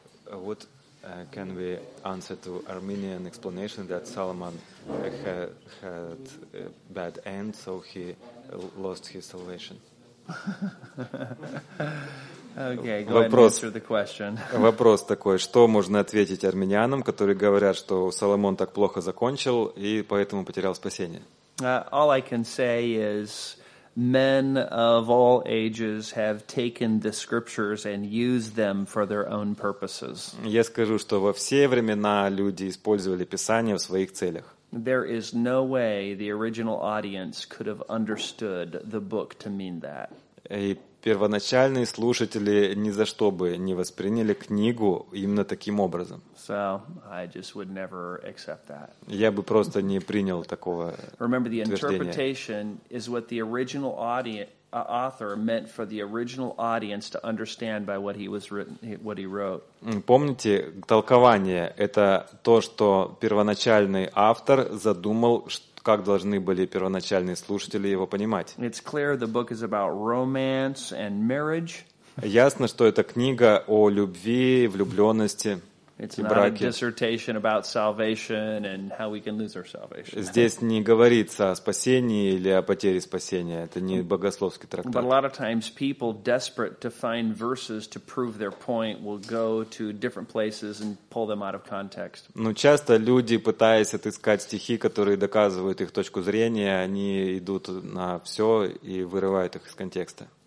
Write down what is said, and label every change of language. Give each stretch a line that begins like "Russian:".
English: What can we answer to Armenian explanation that Solomon had a bad end, so he lost his salvation? Okay, go вопрос, ahead and answer the question.
Russian: Вопрос такой, что можно ответить армянам, которые говорят, что Соломон так плохо закончил и поэтому потерял спасение?
English: All I can say is men of all ages have taken the scriptures and used them for their own purposes.
Russian: Я скажу, что во все времена люди использовали Писание в своих целях.
English: There is no way the original audience could have understood the book to mean that.
Russian: И первоначальные слушатели ни за что бы не восприняли книгу именно таким образом.
English: So, I just would never accept that.
Russian: Я бы просто не принял такого
English: Remember, the interpretation is what the original author meant for the original audience to understand by what he wrote.
Russian: Помните, толкование — это то, что первоначальный автор задумал, что как должны были первоначальные слушатели его понимать.
English: It's clear the book is about romance and marriage.
Russian: Ясно, что это книга о любви, влюбленности
English: It's
Russian: и браке.
English: It's not a dissertation about salvation and how we can lose our salvation.
Russian: Здесь не говорится о спасении или о потере спасения. Это не богословский трактат.
English: But a lot of times people desperate to find verses to prove their point will go to different places and pull them out of context.
Russian: Но часто люди, пытаясь отыскать стихи, которые доказывают их точку зрения, они идут на все и вырывают их из контекста.